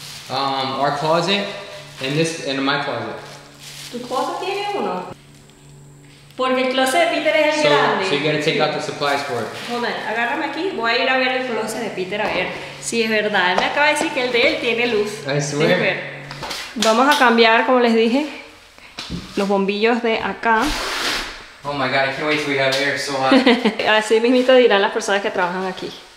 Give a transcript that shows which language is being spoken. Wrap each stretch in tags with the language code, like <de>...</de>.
<en>Our closet and this and my closet.</en> <es>Tu closet tiene uno. Porque el closet de Peter es el grande.</es> <en>So you gotta take out the supplies for it. Hold on,</en> <es>agárrame aquí. Voy a ir a ver el closet de Peter a ver si es verdad. Él me acaba de decir que el de él tiene luz.</es> <en>I swear.</en> <es>Vamos a cambiar, como les dije, los bombillos de acá.</es> <en>Oh my God, I can't wait till we have air, so hot.</en> <es>Así mismito dirán las personas que trabajan aquí.</es>